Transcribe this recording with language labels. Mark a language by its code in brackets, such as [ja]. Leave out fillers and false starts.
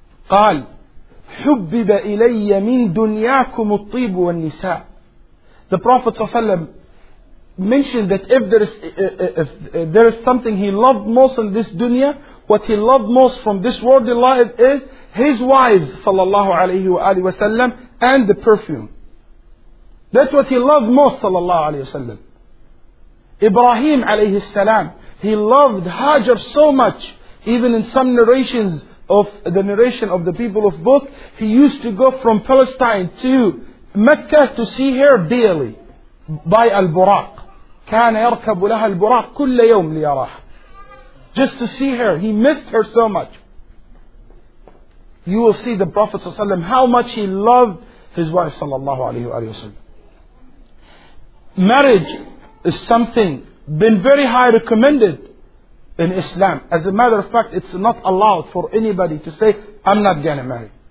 [ar] قال حبب إلي من دنياكم الطيب والنساء. [en] The Prophet ﷺ mentioned that if there is something he loved most in this dunya, what he loved most from this worldly life is his wives sallallahu alayhi wa alayhi wa sallam and the perfume. That's what he loved most sallallahu alayhi wa sallam. Ibrahim alayhi salam, he loved Hajar so much, even in some narrations of the narration of the people of book, he used to go from Palestine to Mecca to see her daily by al-Buraq. [ar] كان يركب لها البراق كل يوم ليراها. [en] Just to see her. He missed her so much. You will see the Prophet ﷺ, how much he loved his wife sallallahu alayhi wa sallam. Marriage is something been very high recommended in Islam. As a matter of fact, it's not allowed for anybody to say, I'm not going to marry.